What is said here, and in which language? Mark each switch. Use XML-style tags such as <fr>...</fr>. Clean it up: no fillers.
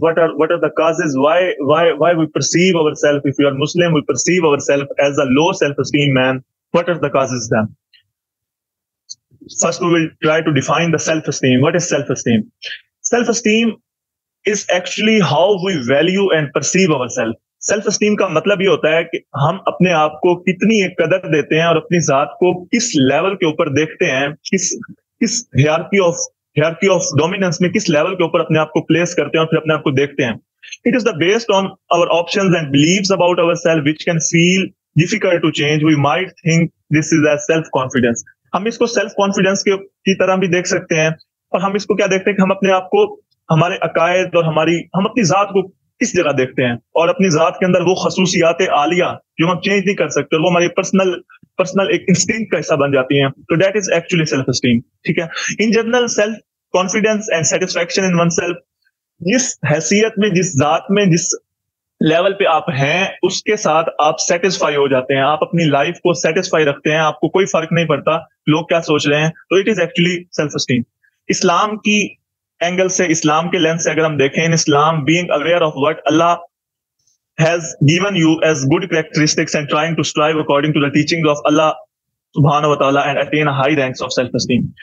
<en>What are the causes? Why we perceive ourselves, if you are Muslim, we perceive ourselves as a low self-esteem man. What are the causes then? First, we will try to define the self-esteem. What is self-esteem? Self-esteem is actually how we value and perceive ourselves.</en> <ur>Self-esteem کا مطلب یہ ہوتا ہے کہ ہم اپنے آپ کو کتنی قدر دیتے ہیں اور اپنی ذات کو کس لیول کے اوپر دیکھتے ہیں, کس ہیئرارکی آف ڈومیننس میں کس لیول کے اوپر اپنے آپ کو پلیس کرتے ہیں اور پھر اپنے آپ کو دیکھتے ہیں.</ur> <en>It is the based on our options and beliefs about our self which can feel difficult to change. We might think this is a self confidence.</en> <ur>ہم اس کو سیلف کانفیڈینس کی طرح بھی دیکھ سکتے ہیں. اور ہم اس کو کیا دیکھتے ہیں کہ ہم اپنے آپ کو, ہمارے عقائد اور ہم اپنی ذات کو کس جگہ دیکھتے ہیں اور اپنی ذات کے اندر وہ خصوصیات عالیہ جو ہم چینج نہیں کر سکتے, وہ ہمارے پرسنل ایک انسٹنکٹ کا حصہ بن جاتی ہیں.</ur> <en>تو that is actually self esteem.</en> <ur>ٹھیک ہے.</ur> <en>in general self confidence and satisfaction in one self,</en> <ur>جس حیثیت میں, جس ذات میں, جس لیول پہ آپ ہیں, اس کے ساتھ آپ سیٹسفائی ہو جاتے ہیں. آپ اپنی لائف کو سیٹسفائی رکھتے ہیں, آپ کو کوئی فرق نہیں پڑتا لوگ کیا سوچ رہے ہیں.</ur> <en>تو it is actually self esteem.</en> <ur>اسلام کی اینگل سے, اسلام کے لینس سے اگر ہم دیکھیں,</ur> <en>Islam being aware of what Allah has given you as good characteristics and trying to strive according to the teachings of Allah subhanahu wa ta'ala and attain a high ranks of self-esteem.</en>